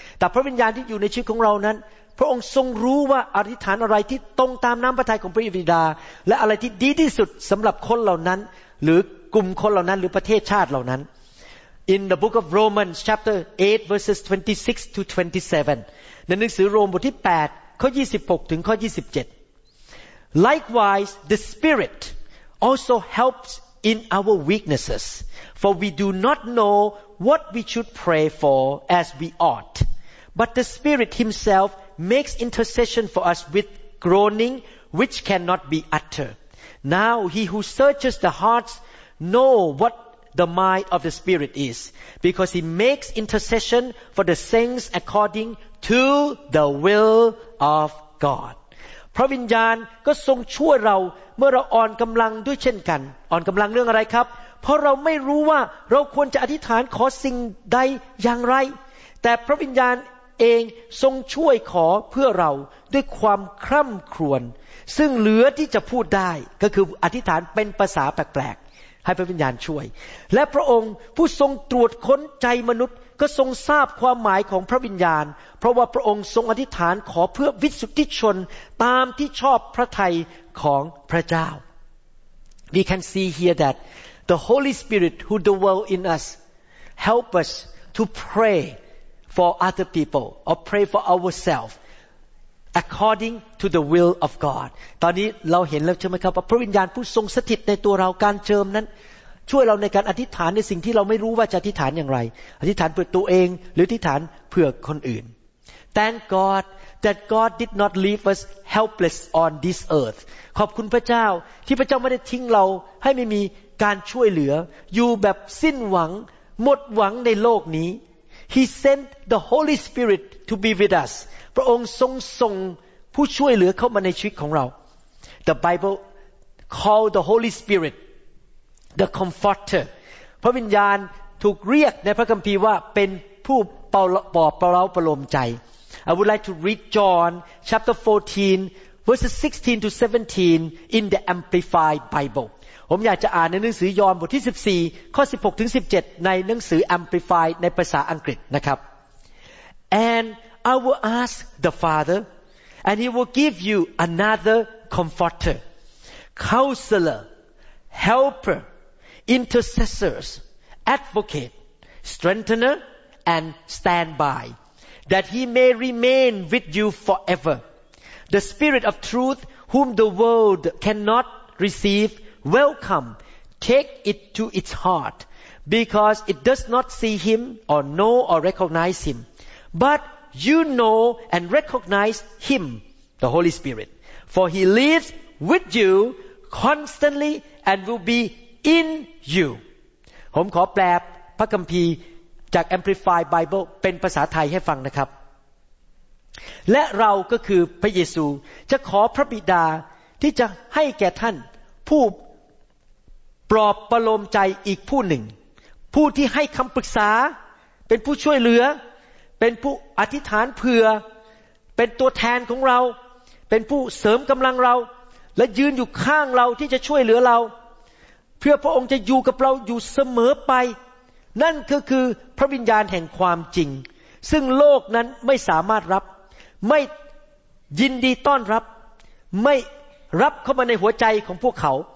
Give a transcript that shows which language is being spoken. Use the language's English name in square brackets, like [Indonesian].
[Thai] แต่พระวิญญาณที่อยู่ในชีวิตของเรานั้นพระองค์ทรงรู้ว่าอธิษฐานอะไรที่ตรงตามน้ำพระทัยของพระบิดาและอะไรที่ดีที่สุดสำหรับคนเหล่านั้นหรือกลุ่มคนเหล่านั้นหรือประเทศชาติเหล่านั้น [English] In the book of Romans chapter 8 verses 26 to 27. [Thai] ในหนังสือโรมบทที่8ข้อ26ถึงข้อ27. [English] Likewise, the Spirit also helps in our weaknesses, for we do not know what we should pray for as we ought. But the Spirit himself makes intercession for us with groaning which cannot be uttered. Now he who searches the hearts know what the mind of the Spirit is, because he makes intercession for the saints according to the will of God. [Thai] พระวิญญาณก็ทรงช่วยเราเมื่อเราอ่อนกำลังด้วยเช่นกันอ่อนกำลังเรื่องอะไรครับเพราะเราไม่รู้ว่าเราควรจะอธิษฐานขอสิ่งใดอย่างไร แต่พระวิญญาณเองทรงช่วยขอเพื่อเราด้วยความคร่ำครวญซึ่งเหลือที่จะพูดได้ก็คืออธิษฐานเป็นภาษาแปลกให้พระวิญญาณช่วยและพระองค์ผู้ทรงตรวจค้นใจมนุษย์ก็ทรงทราบความหมายของพระวิญญาณเพราะว่าพระองค์ทรงอธิษฐานขอเพื่อวิสุทธิชนตามที่ชอบพระทัยของพระเจ้า [English] We can see here that the Holy Spirit who dwell in us help us to pray for other people or pray for ourselves according to the will of God [Thai] ตอนนี้เราเห็นแล้วใช่ไหมครับว่าพระวิญญาณผู้ทรงสถิตในตัวเราการเจิมนั้นช่วยเราในการอธิษฐานในสิ่งที่เราไม่รู้ว่าจะอธิษฐานอย่างไรอธิษฐานเพื่อตัวเองหรืออธิษฐานเพื่อคนอื่น [English] Thank God that God did not leave us helpless on this earth [Thai] ขอบคุณพระเจ้าที่พระเจ้าไม่ได้ทิ้งเราให้ไม่มีการช่วยเหลืออยู่แบบสิ้นหวังหมดหวังในโลกนี้ [English] He sent the Holy Spirit to be with us [Thai] พระองค์ทรงส่งผู้ช่วยเหลือเข้ามาในชีวิตของเรา [English] The Bible called the Holy Spirit the Comforter [Thai] พระวิญญาณถูกเรียกในพระคัมภีร์ว่าเป็นผู้ปลอบประโลมใจ [English] I would like to read John chapter 14 verses 16 to 17 in the Amplified Bible [Thai] ผมอยากจะอ่านในหนังสือยอห์นบทที่14ข้อ16ถึง17ในหนังสือ Amplified ในภาษาอังกฤษนะครับ [English] AndI will ask the Father, and He will give you another Comforter, Counselor, Helper, Intercessor, Advocate, Strengthener, and Standby, that He may remain with you forever. The Spirit of Truth, whom the world cannot receive, will come, take it to its heart, because it does not see Him or know or recognize Him. ButYou know and recognize Him, the Holy Spirit, for He lives with you constantly and will be in you. [Thai] ผมขอแปลพระคัมภีร์จาก Amplified Bible เป็นภาษาไทยให้ฟังนะครับและเราก็คือพระเยซูจะขอพระบิดาที่จะให้แก่ท่านผู้ ปลอบประโลมใจอีกผู้หนึ่งผู้ที่ให้คำปรึกษาเป็นผู้ช่วยเหลือเป็นผู้อธิษฐานเผื่อเป็นตัวแทนของเราเป็นผู้เสริมกำลังเราและยืนอยู่ข้างเราที่จะช่วยเหลือเราเพื่อพระองค์จะอยู่กับเราอยู่เสมอไปนั่นคือพระวิญญาณแห่งความจริงซึ่งโลกนั้นไม่สามารถรับไม่ยินดีต้อนรับไม่รับเข้ามาในหัวใจของพวกเขา